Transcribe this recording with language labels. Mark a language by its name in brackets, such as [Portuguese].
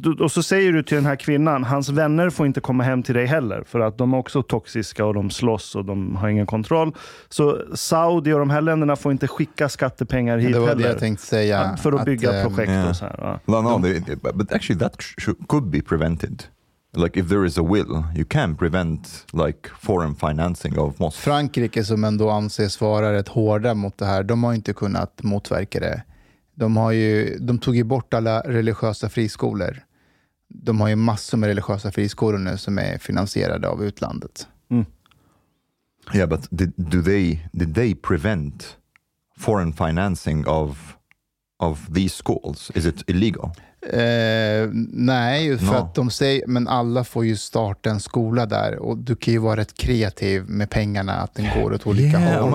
[Swedish] Så säger du till den här kvinnan. Hans vänner får inte komma hem till dig heller. För att de är också toxiska och de slåss och de har ingen kontroll. Så Saudi och de här länderna får inte skicka skattepengar hit heller. Det var det jag tänkte säga. För att bygga projekt och så här. Va? [English] But actually that could be prevented. Like if there is a will, you can prevent like foreign financing of mosques. [Swedish] Frankrike som ändå anses vara rätt hårda mot det här, de har inte kunnat motverka det. De tog ju bort alla religiösa friskolor. De har ju massor med religiösa friskolor nu som är finansierade av utlandet. Mm. [English] Yeah, but did they prevent foreign financing of these schools? Is it illegal? [Swedish] Nej, att de säger, men alla får ju starta en skola där och du kan ju vara rätt kreativ med pengarna att den går åt olika håll.